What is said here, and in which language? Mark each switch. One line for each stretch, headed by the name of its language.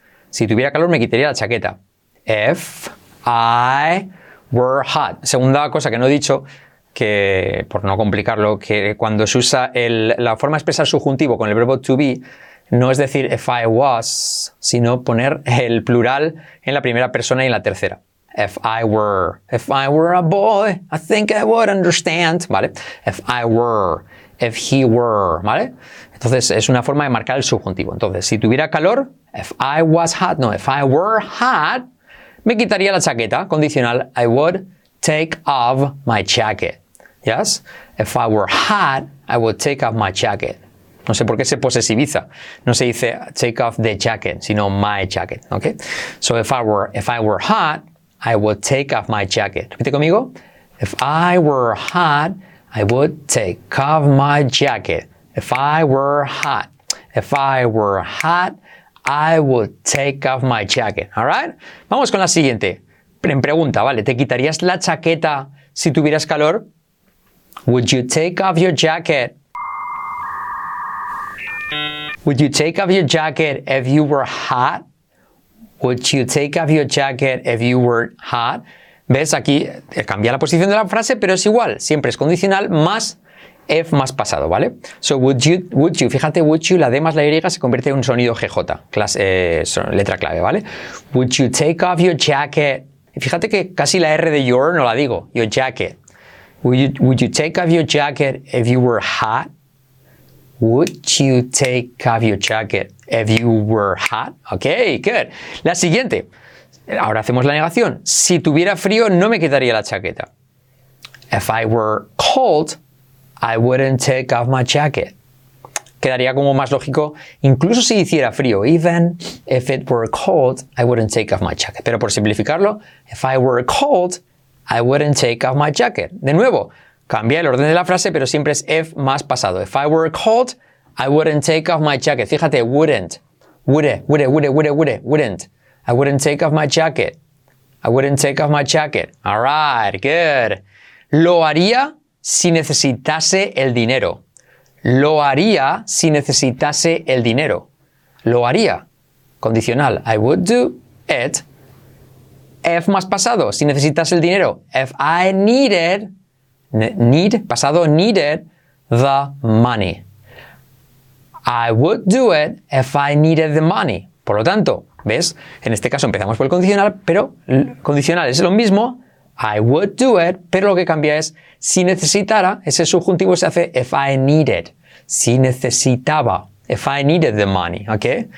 Spanish: Si tuviera calor, me quitaría la chaqueta.
English: If I were hot.
Spanish: Segunda cosa que no he dicho, que por no complicarlo, que cuando se usa la forma de expresar subjuntivo con el verbo to be, no es decir
English: if I was,
Spanish: sino poner el plural en la primera persona y en la tercera.
English: If I were a boy, I think I would understand, ¿vale? If I were, if he were, ¿vale?
Spanish: Entonces, es una forma de marcar el subjuntivo. Entonces, si tuviera calor,
English: if I was hot, no, if I were hot,
Spanish: me quitaría la chaqueta, condicional,
English: I would take off my jacket, ¿yes? If I were hot, I would take off my jacket.
Spanish: No sé por qué se posesiviza. No se dice
English: take off the jacket,
Spanish: sino my jacket, ¿ok?
English: So, if I were hot, I would take off my jacket.
Spanish: Repite conmigo.
English: If I were hot, I would take off my jacket. If I were hot. If I were hot, I would take off my jacket. All right?
Spanish: Vamos con la siguiente. En pregunta, ¿vale? ¿Te quitarías la chaqueta si tuvieras calor?
English: Would you take off your jacket? Would you take off your jacket if you were hot? Would you take off your jacket if you were hot?
Spanish: ¿Ves? Aquí cambia la posición de la frase, pero es igual. Siempre es condicional más if más pasado, ¿vale?
English: So, would you,
Spanish: fíjate, would you, la D más la Y se convierte en un sonido GJ, letra clave, ¿vale?
English: Would you take off your jacket?
Spanish: Fíjate que casi la R de your no la digo, your jacket.
English: Would you take off your jacket if you were hot? Would you take off your jacket if you were hot? Okay, good. La siguiente.
Spanish: Ahora hacemos la negación. Si tuviera frío, no me quitaría la chaqueta.
English: If I were cold, I wouldn't take off my jacket.
Spanish: Quedaría como más lógico, incluso si hiciera frío.
English: Even if it were cold, I wouldn't take off my jacket.
Spanish: Pero por simplificarlo,
English: if I were cold, I wouldn't take off my jacket.
Spanish: De nuevo, cambia el orden de la frase, pero siempre es if más pasado.
English: If I were cold, I wouldn't take off my jacket. Fíjate, wouldn't. Wouldn't. I wouldn't take off my jacket. I wouldn't take off my jacket. All right, good.
Spanish: Lo haría si necesitase el dinero. Lo haría si necesitase el dinero. Lo haría. Condicional.
English: I would do it. If más pasado.
Spanish: Si necesitase el dinero.
English: If I needed. Need. Pasado. Needed the money. I would do it if I needed the money.
Spanish: Por lo tanto, ¿ves? En este caso empezamos por el condicional, pero condicional es lo mismo.
English: I would do it,
Spanish: pero lo que cambia es si necesitara, ese subjuntivo se hace if I needed, si necesitaba,
English: if I needed the money,
Spanish: ¿ok?